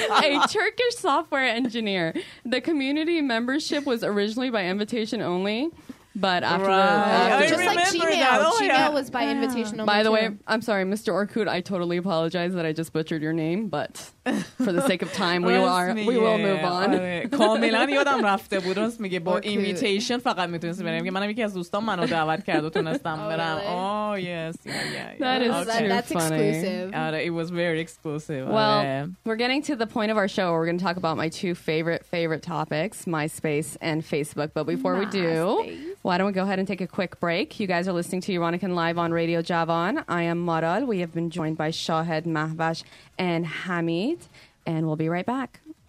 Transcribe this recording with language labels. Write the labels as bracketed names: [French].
[English] A Turkish software engineer. The community membership was originally by invitation only, but after just like Gmail was by invitation only. By the way, I'm sorry, Mr. Orkut, I totally apologize that I just butchered your name, but for the sake of time, we will move on. [Persian] کاملا یادم رفته بود. راست میگه با اینویتیشن فقط میتونستم برم. میگه منم یکی از دوستان منو دعوت کرد و تونستم برم. [English] That is too funny. It was very exclusive. Well, we're getting to the point of our show where we're going to talk about my two favorite topics, MySpace and Facebook. But before we do, why don't we go ahead and take a quick break? You guys are listening to Euronican Live on Radio Javan. I am Maral. We have been joined by Shahed, Mahvash, and Hamid, and we'll be right back.